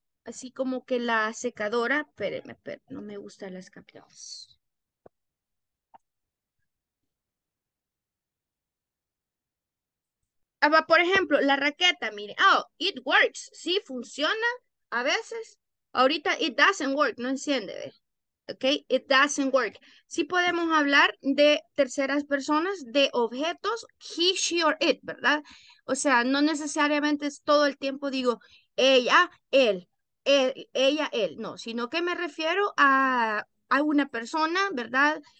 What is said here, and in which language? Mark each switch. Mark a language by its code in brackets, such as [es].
[es] Así como que la secadora, pero no me gustan las capillas. Por ejemplo, la raqueta, mire. [en] Oh, it works. [es] Sí, funciona a veces. Ahorita [en] it doesn't work, [es] no enciende. [en] Ok, it doesn't work. [es] Sí podemos hablar de terceras personas, de objetos, [en] he, she, or it, [es] ¿verdad? O sea, no necesariamente es todo el tiempo digo ella, él. Ella, él, no, sino que me refiero a una persona, ¿verdad?